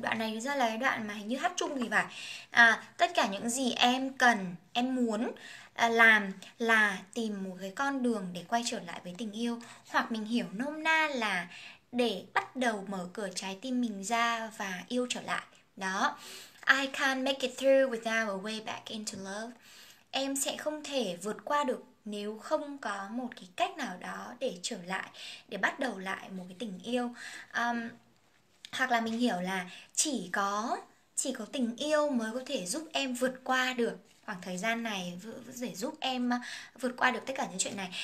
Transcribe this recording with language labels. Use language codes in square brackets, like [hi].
[vi] Đoạn này ra là cái đoạn mà hình như hát chung thì phải. À, tất cả những gì em cần, em muốn làm là tìm một cái con đường để quay trở lại với tình yêu. Hoặc mình hiểu nôm na là để bắt đầu mở cửa trái tim mình ra và yêu trở lại. Đó. [en] I can't make it through without a way back into love. [vi] Em sẽ không thể vượt qua được nếu không có một cái cách nào đó để trở lại, để bắt đầu lại một cái tình yêu. Hoặc là mình hiểu là chỉ có tình yêu mới có thể giúp em vượt qua được khoảng thời gian này, để giúp em vượt qua được tất cả những chuyện này.